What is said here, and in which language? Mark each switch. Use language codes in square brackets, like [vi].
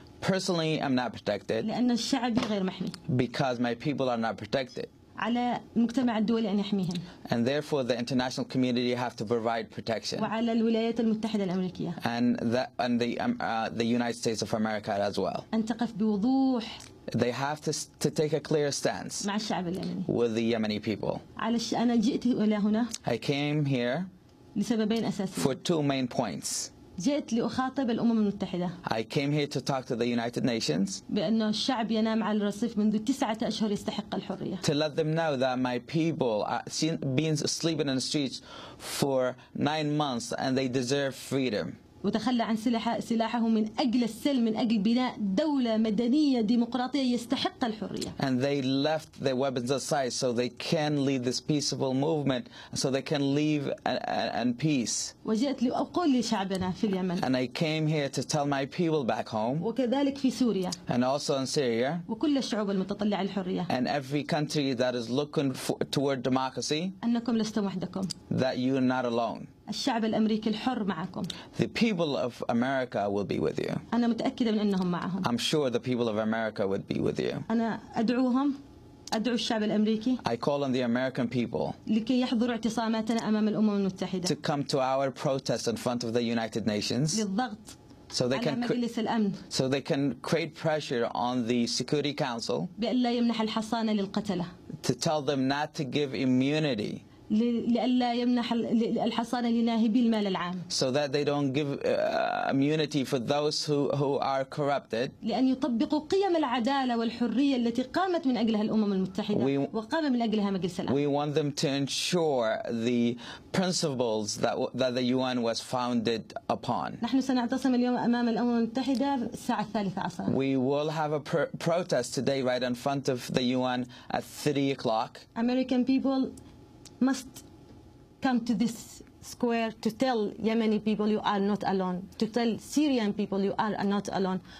[en] Personally I'm not protected. [ar] لأن الشعب غير محمي. [en] Because my people are not protected. [ar] على المجتمع الدولي أن يحميهم. [en] And therefore the international community have to provide protection. [ar] وعلى الولايات المتحدة الأمريكية. [en] And the United States of America as well. [ar] أن تقف بوضوح. [en] They have to take a clear stance. [ar] مع الشعب اليمني. [en] With the Yemeni people. [ar] على أنا جئت إلى هنا. [en] I came here. [ar] لسببين أساسيين. [en] For two main points. [ar] جئت لأخاطب الأمم المتحدة. [en] I came here to talk to the United Nations. [ar] بأن الشعب ينام على الرصيف منذ 9 أشهر يستحق الحرية. [en] To let them know that my people are been sleeping in the streets for 9 months and they deserve freedom. [ar] وتخلى عن سلاحه من أجل السلم من أجل بناء دولة مدنية ديمقراطية يستحق الحرية. [en] And they left their weapons aside so they can lead this peaceful movement so they can leave in peace. [ar] وجئت لأقول لشعبنا في اليمن. [en] And I came here to tell my people back home. [ar] وكذلك في سوريا. [en] And also in Syria. [ar] وكل الشعوب المتطلعة للحرية. [en] And every country that is looking toward democracy. [ar] أنكم لستم وحدكم. [en] That you are not alone. [ar] الشعب الأمريكي الحر معكم. [en] The people of America will be with you. [ar] أنا متأكدة من أنهم معهم. [en] I'm sure the people of America would be with you. [ar] أنا أدعوهم، أدعو الشعب الأمريكي. [en] I call on the American people. [ar] لكي يحضروا اعتصاماتنا أمام الأمم المتحدة. [en] To come to our protest in front of the United Nations. [ar] للضغط. [en] So they can مجلس الأمن. So they can create pressure on the Security Council. [ar] بأن لا يمنح الحصانة للقتلة. [en] To tell them not to give immunity. [ar] لألا يمنح الحصانة لناهبي المال العام. [en] So that they don't give immunity for those who are corrupted. [ar] لأن يطبقوا قيم العدالة والحرية التي قامت من أجلها الأمم المتحدة وقام من أجلها مجلس الأمن. [en] We want them to ensure the principles that the UN was founded upon. [ar] نحن سنعتصم اليوم أمام الأمم المتحدة الساعة الثالثة عصرا. [en] We will have a protest today right in front of the UN at 3 o'clock. American people must come to this square to tell Yemeni people you are not alone, to tell Syrian people you are not alone.